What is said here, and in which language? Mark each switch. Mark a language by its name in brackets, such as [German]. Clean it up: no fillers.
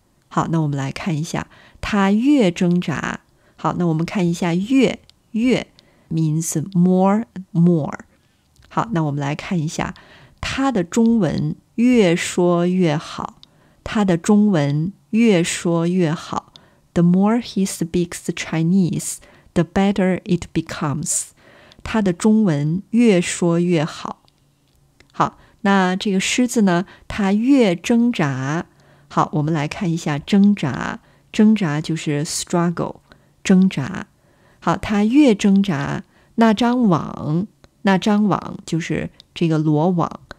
[Chinese] 好，那我们来看一下，它越挣扎。好，那我们看一下越 [English] means more。 [Chinese] 好，那我们来看一下它的中文越说越好。它的中文越说越好。 [English] The more he speaks Chinese, the better it becomes. [Chinese] 他的中文越说越好。好，那这个狮子呢，他越挣扎。好，我们来看一下挣扎。挣扎就是 struggle, 挣扎。好，他越挣扎，那张网就是这个罗网。